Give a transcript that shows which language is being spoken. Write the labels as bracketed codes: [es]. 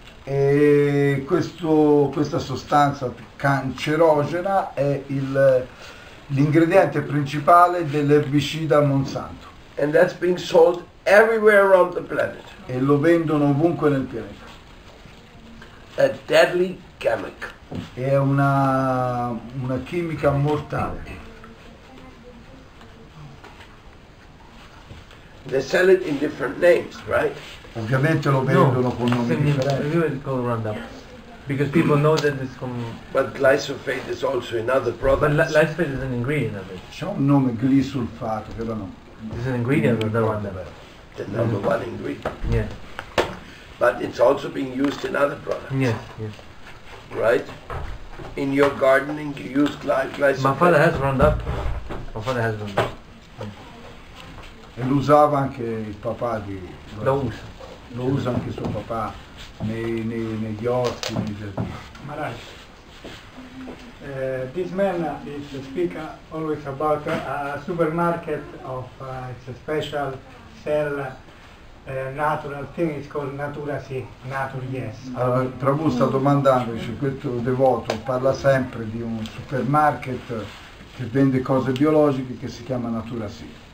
[it] E questa sostanza cancerogena è l'ingrediente principale dell'erbicida Monsanto. [en] And that's being sold everywhere around the planet. [it] E lo vendono ovunque nel pianeta. [en] A deadly chemical. [it] È una chimica mortale. [en] They sell it in different names, right? [it] Ovviamente lo vendono con nomi differenti. [en] Called Roundup. Because people know that it's from. But glyphosate is also another product. But glyphosate is an ingredient of it. [it] C'è un nome glisulfato, però no. [en] This is an ingredient of the Roundup. The number one ingredient. Yeah. But it's also being used in other products. Yes, yes. Right? In your gardening, you use glyphosate. My father has Roundup. [it] E lo usava anche il papà di. Lo usa. Lo usa anche suo papà negli orti, nei giardini. [en] Maraj, this man is the speaker always about a supermarket of it's a special sell natural thing. It's called Natura Si, Natura Yes. [it] Allora, Prabhu sta domandando, dice, questo devoto parla sempre di un supermarket che vende cose biologiche che si chiama Natura Si.